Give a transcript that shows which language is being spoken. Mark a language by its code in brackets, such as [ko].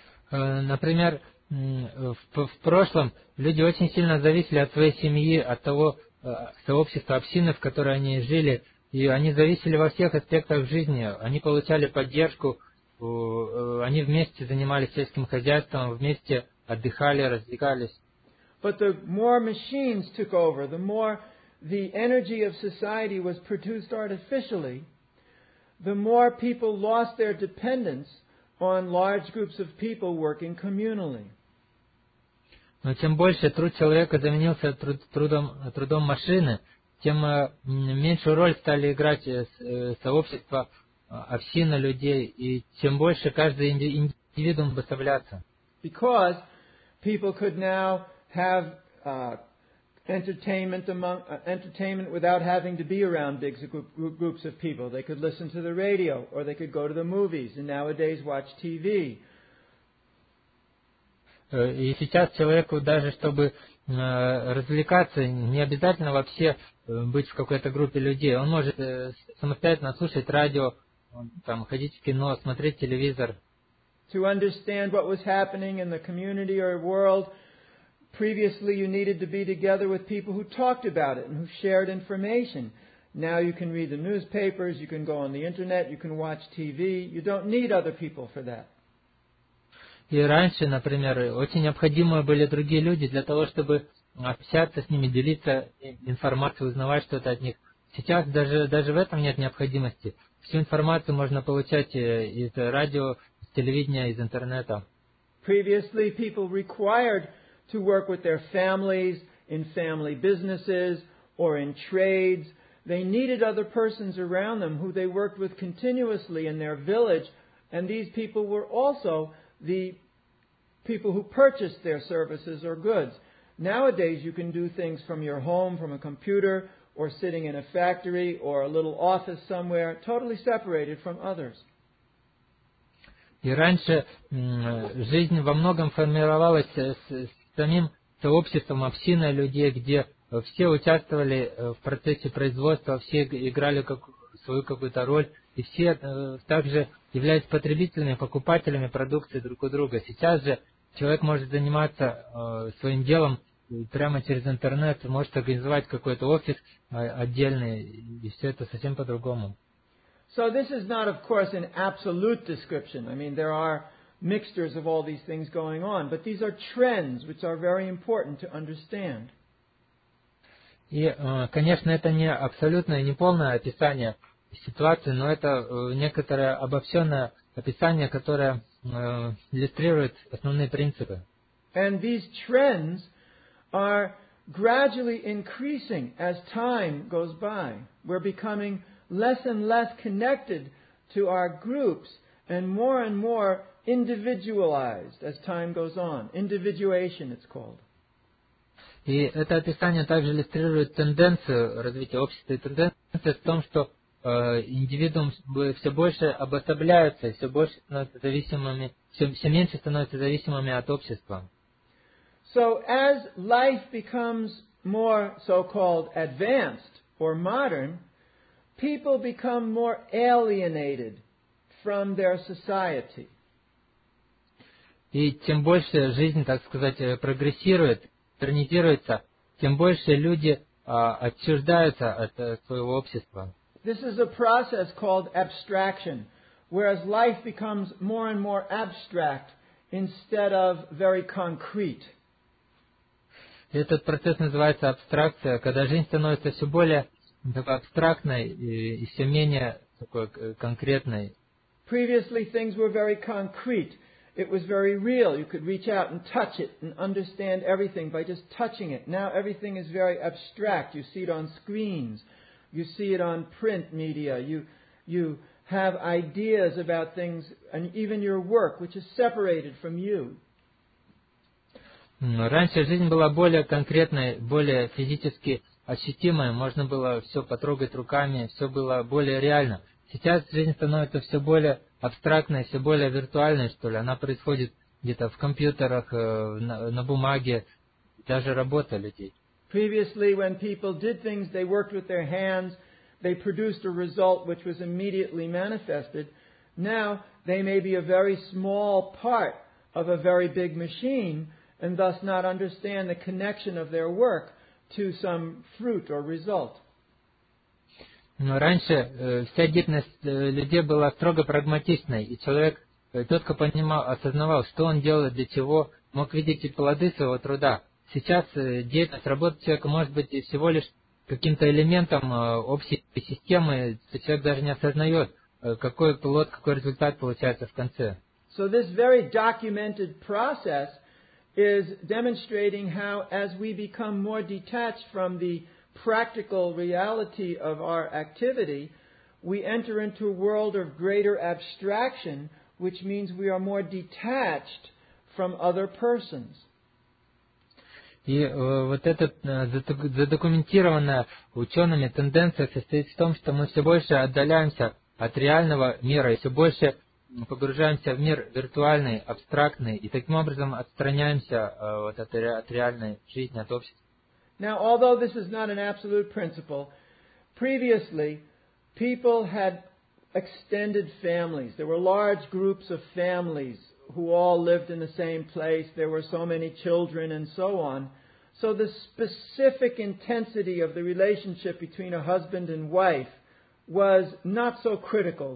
[ru] Например, в прошлом люди очень сильно зависели от своей семьи, от того сообщества, общины, в которой они жили. И они зависели во всех аспектах жизни. Они получали поддержку, они вместе занимались сельским хозяйством, вместе отдыхали, развлекались. [en] But the more machines took over, the more the energy of society was produced artificially, the more people lost their dependence on large groups of people working communally. [ru] Но чем больше труд человека заменился трудом машины, тем меньшую роль стали играть сообщества, община людей, и тем больше каждый индивидуум выставляться. [en] Because people could now have entertainment without having to be around big groups of people. They could listen to the radio, or they could go to the movies, and nowadays watch TV. [ru] И сейчас человеку даже, чтобы развлекаться, не обязательно вообще быть в какой-то группе людей. Он может самостоятельно слушать радио, там, ходить в кино, смотреть телевизор. [en] To understand what was happening in the community or world, previously you needed to be together with people who talked about it and who shared information. Now you can read the newspapers, you can go on the internet, you can watch TV. You don't need other people for that. [ru] И раньше, например, очень необходимы были другие люди для того, чтобы общаться с ними, делиться информацией, узнавать что-то от них. Сейчас даже в этом нет необходимости. Всю информацию можно получать из радио, из телевидения, из интернета. [en] Previously people required to work with their families, in family businesses, or in trades. They needed other persons around them who they worked with continuously in their village, and these people were also the people who purchased their services or goods. Nowadays, you can do things from your home, from a computer, or sitting in a factory, or a little office somewhere, totally separated from others. [ru] И раньше жизнь во многом формировалась с самим сообществом, общиной людей, где все участвовали в процессе производства, все играли свою какую-то роль. И все также являются потребителями, покупателями продукции друг у друга. Сейчас же человек может заниматься своим делом прямо через интернет, может организовать какой-то офис отдельный, и все это совсем по-другому. [en] So this is not, of course, an absolute description. I mean, there are mixtures of all these things going on, but these are trends which are very important to understand. [ru] И, конечно, это не абсолютное, не полное описание ситуации, но это некоторое обобщенное описание, которое иллюстрирует основные принципы. [en] And these trends are gradually increasing as time goes by. We're becoming less and less connected to our groups and more individualized as time goes on. Individuation, it's called. [ru] И это описание также иллюстрирует тенденцию развития общества. И тенденция в том, что индивидуум все больше обособляется, все больше становится зависимыми, все меньше становится зависимыми от общества. [en] So as life becomes more so-called advanced or modern, people become more alienated from their society. [ru] И тем больше жизнь, так сказать, прогрессирует, тернизируется, тем больше люди отчуждаются от своего общества. [en] This is a process called abstraction, whereas life becomes more and more abstract instead of very concrete. [ru] Этот процесс называется абстракция, когда жизнь становится все более абстрактной и все менее такой конкретной. [en] Previously things were very concrete. It was very real. You could reach out and touch it and understand everything by just touching it. Now everything is very abstract. You see it on screens. You see it on print media. You have ideas about things and even your work, which is separated from you. [ru] Раньше жизнь была более конкретной, более физически ощутимой. Можно было все потрогать руками, все было более реально. Сейчас жизнь становится все более абстрактной, все более виртуальной, что ли. Она происходит где-то в компьютерах, на бумаге, даже работа людей. [en] Previously, when people did things, they worked with their hands, they produced a result which was immediately manifested. Now, they may be a very small part of a very big machine, and thus not understand the connection of their work to some fruit or result. [ru] Но раньше вся деятельность людей была строго прагматичной, и человек четко понимал, осознавал, что он делает, для чего, мог видеть и плоды своего труда. сейчас деятельность, работа человека может быть всего лишь каким-то элементом общей системы, человек даже не осознает, какой плод, какой результат получается в конце. [en] So this very documented process is demonstrating how as we become more detached from the practical reality of our activity, we enter into a world of greater abstraction, which means we are more detached from other persons. [ru] И вот эта задокументированная учеными тенденция состоит в том, что мы все больше отдаляемся от реального мира и все больше погружаемся в мир виртуальный, абстрактный, и таким образом отстраняемся вот от реальной жизни, от общества. [en] Now, although this is not an absolute principle, previously people had extended families. There were large groups of families who all lived in the same place. There were so many children and so on. So the specific intensity of the relationship between a husband and wife was not so critical.